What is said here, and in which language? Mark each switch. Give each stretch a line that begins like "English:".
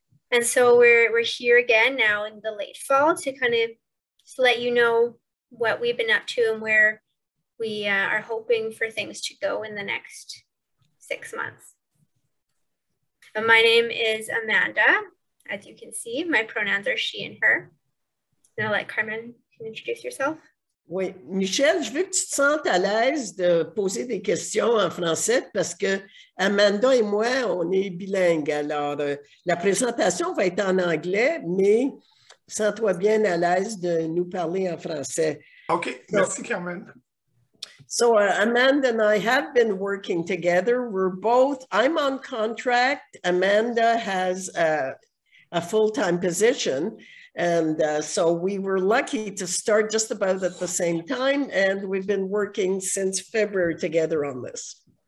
English: And so we're here again now in the late fall to kind of to let you know what we've been up to and where we are hoping for things to go in the next 6 months. And my name is Amanda. As you can see, my pronouns are she and her. And I'll let Carmen introduce yourself.
French: Oui, Michel, je veux que tu te sentes à l'aise de poser des questions en français parce que Amanda et moi, on est bilingues. Alors, la présentation va être en anglais, mais sens-toi bien à l'aise de nous parler en français. OK, merci, Carmen.
English: So, Amanda and I have been working together. We're both, I'm on contract. Amanda has a full-time position. And so we were lucky to start just about at the same time, and we've been working since February together on this.